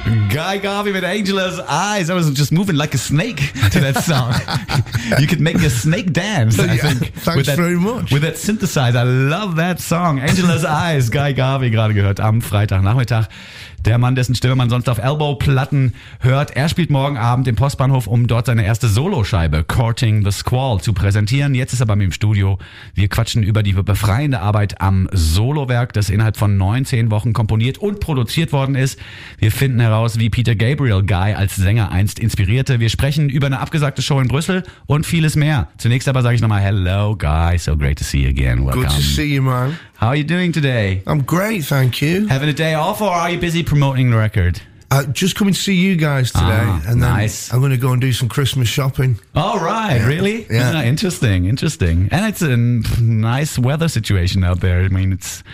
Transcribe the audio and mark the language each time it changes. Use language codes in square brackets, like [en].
[en] Guy Garvey with Angela's Eyes. I was just moving like a snake to that song. You could make a snake dance, I think. Thanks that, very much. With that synthesizer. I love that song. [de] Angela's Eyes, Guy Garvey, gerade gehört am Freitagnachmittag. Der Mann, dessen Stimme man sonst auf Elbow-Platten hört, er spielt morgen Abend im Postbahnhof, um dort seine erste Soloscheibe Courting the Squall zu präsentieren. Jetzt ist er bei mir im Studio. Wir quatschen über die befreiende Arbeit am Solowerk, das innerhalb von 19 Wochen komponiert und produziert worden ist. Wir finden heraus, wie Peter Gabriel Guy als Sänger einst inspirierte. Wir sprechen über eine abgesagte Show in Brüssel und vieles mehr. Zunächst aber sage ich nochmal Hello, Guy. [en] So great to see you again. Welcome. Good to see you, man. How are you doing today? I'm great, thank you. Having a day off or are you busy promoting the record? Just coming to see you guys today. Nice. I'm going to go and do some Christmas shopping. All right, yeah. Really? Yeah. Isn't that interesting? Interesting. And it's a nice weather situation out there. I mean, it's